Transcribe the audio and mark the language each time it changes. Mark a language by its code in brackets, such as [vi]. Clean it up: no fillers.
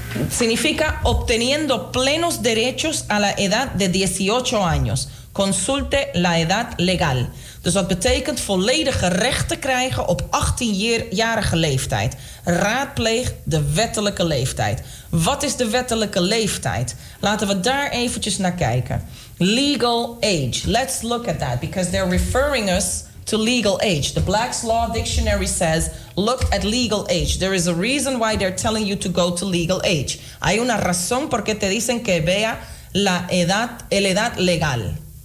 [es] Significa obteniendo plenos derechos a la edad de 18 años. Consulte la edad legal. [nl] Dus dat betekent volledige rechten krijgen op 18-jarige leeftijd. Raadpleeg de wettelijke leeftijd. Wat is de wettelijke leeftijd? Laten we daar eventjes naar kijken. [en] Legal age. Let's look at that. Because they're referring us to legal age. The Black's Law Dictionary says, look at legal age. There is a reason why they're telling you to go to legal age. [es] Hay una razón por qué te dicen que vea la edad, el edad legal.